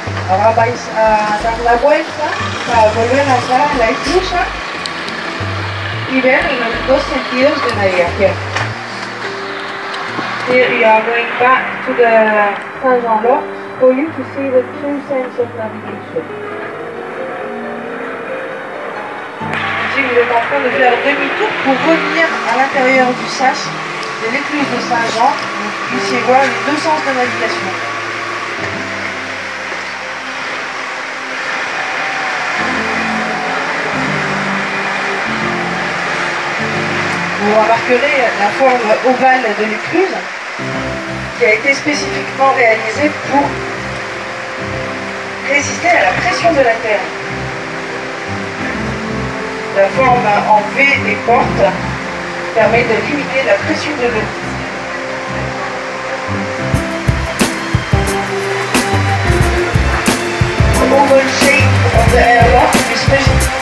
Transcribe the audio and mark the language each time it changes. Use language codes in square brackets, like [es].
[es] Ahora vais a dar la vuelta para volver a entrar en la esclusa y ver los dos sentidos de navegación. [en] Here you are going back to the Saint-Jean-Loc for you to see the two senses of navigation. [fr] Vous êtes en train de faire demi-tour pour revenir à l'intérieur du sas de l'écluse de Saint-Jean, vous puissiez voir les deux sens de navigation. Vous remarquerez la forme ovale de l'écluse qui a été spécifiquement réalisée pour résister à la pression de la terre. La forme en V des portes permet de limiter la pression de l'eau. [en] The oval shape of the airlock is special.